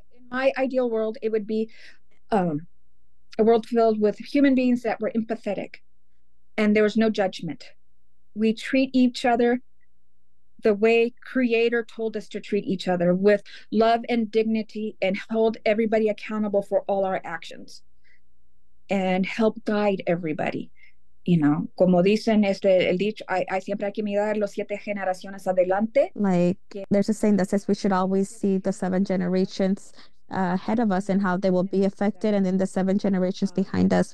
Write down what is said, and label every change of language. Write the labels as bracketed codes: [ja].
[en] my ideal world, it would be a world filled with human beings that were empathetic and there was no judgment. We treat each other the way Creator told us to treat each other, with love and dignity, and hold everybody accountable for all our actions and help guide everybody. You know, [es] como dicen este el dicho, hay siempre que mirar los siete generaciones adelante. [en] Like, there's a saying that says we should always see the seven generations ahead of us and how they will be affected, and then the seven generations behind us.